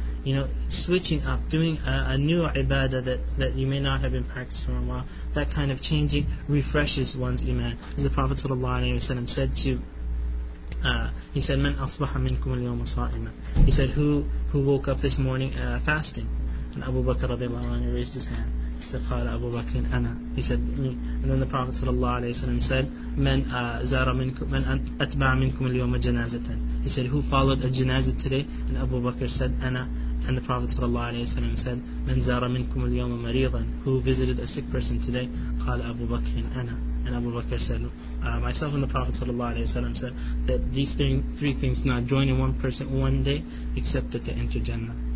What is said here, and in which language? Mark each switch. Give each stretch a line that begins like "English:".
English: You know, switching up, doing a new ibadah that you may not have been practicing for a while, that kind of changing refreshes one's iman. As the Prophet ﷺ said to, he said,
Arabic: مَنْ أَصْبَحَ مِنْكُمُ الْيَوْمَ صَائِمًا.
English: He said, who woke up this morning fasting? And Abu Bakr ﷺ raised his hand. He said,
Arabic: قَالَ أَبُو بَكْرٍ أَنَا.
English: He said, me. And then the Prophet ﷺ said,
Arabic: مَنْ أَتْبَعَ مِنْكُمْ الْيَوْمَ جَنَازَةً.
English: He said, who followed a janazah today? And Abu Bakr said, أَنَا. And the Prophet ﷺ said,
Arabic: مَنْ زَارَ مِنْكُمْ الْيَوْمَ مَرِيضًا.
English: Who visited a sick person today?
Arabic: قَالَ أَبُو بَكْرٍ أَنَا.
English: And Abu Bakr said, myself and the Prophet ﷺ said that these three things not join in one person one day except that they enter Jannah.